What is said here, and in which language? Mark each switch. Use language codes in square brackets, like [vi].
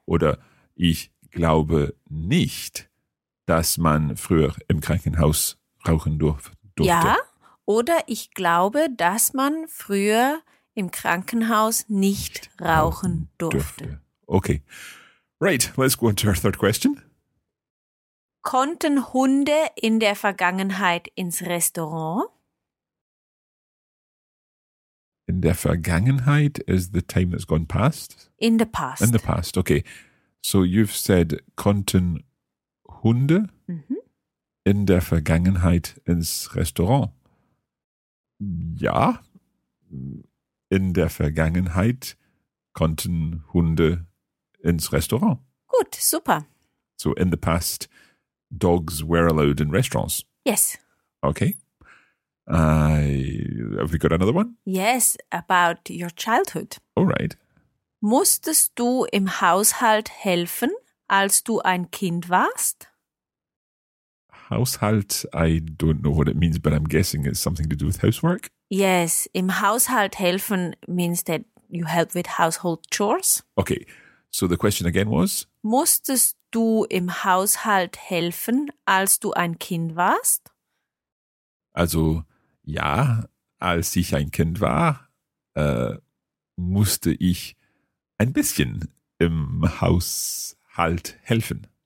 [de] Oder ich glaube nicht, dass man früher im Krankenhaus rauchen durfte. Ja, oder ich glaube, dass man früher im Krankenhaus nicht rauchen durfte. [en] Okay. Right, let's go on to our third question. [de] Konnten Hunde in der Vergangenheit ins Restaurant? In der Vergangenheit [en] is the time that's gone past? In the past. In the past, okay. So you've said, [de] konnten Hunde in der Vergangenheit ins Restaurant? Ja, in der Vergangenheit konnten Hunde ins Restaurant. Gut, super. [en] So in the past, dogs were allowed in restaurants. Yes. Okay. Have we got another one? Yes, about your childhood. All right. [de] Musstest du im Haushalt helfen, als du ein Kind warst? [en] Haushalt, I don't know what it means, but I'm guessing it's something to do with housework. Yes, [de] im Haushalt helfen [en] means that you help with household chores. Okay. So the question again was? [de] Musstest du im Haushalt helfen, als du ein Kind warst? Also, Ja, als ich ein Kind war, musste ich ein bisschen im Haushalt helfen.